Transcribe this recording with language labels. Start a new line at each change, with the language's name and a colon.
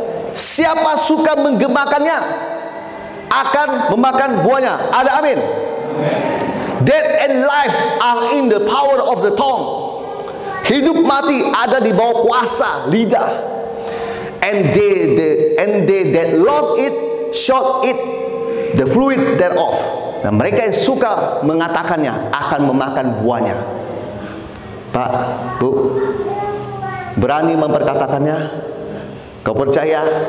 Indonesian: Siapa suka menggemakannya akan memakan buahnya. Ada amin?
English: Death and life are in the power of the tongue.
Indonesian: Hidup mati ada di bawah kuasa lidah.
English: And they that love it shall eat the fruit thereof.
Indonesian: Dan mereka yang suka mengatakannya akan memakan buahnya. Pak, Bu, berani memperkatakannya? Kau percaya?